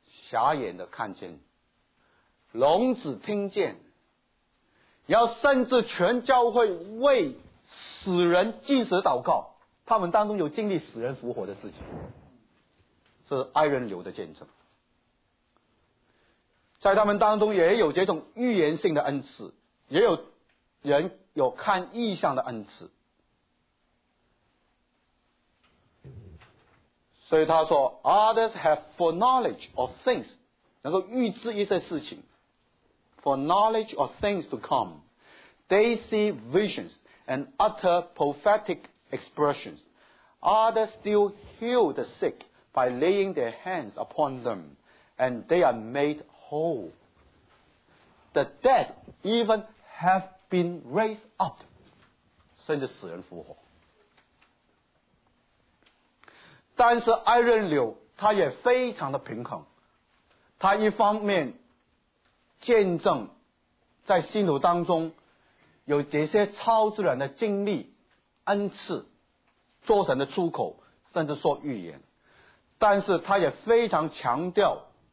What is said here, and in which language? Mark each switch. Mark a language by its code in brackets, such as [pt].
[zh] 瞎眼的看见，聋子听见，要甚至全教会为死人进食祷告，他们当中有经历死人复活的事情，是爱人流的见证。在他们当中也有这种预言性的恩赐，也有人有看异象的恩赐。 [en] 所以他说 Others have foreknowledge of things， [zh] 能够预知一些事情， [en] foreknowledge of things to come， They see visions and utter prophetic expressions， Others still heal the sick by laying their hands upon them and they are made whole， The dead even have been raised up， [zh] 甚至死人复活。但是艾任柳他也非常的平衡，他一方面见证在信徒当中有这些超自然的经历恩赐，做神的出口，甚至说预言，但是他也非常强调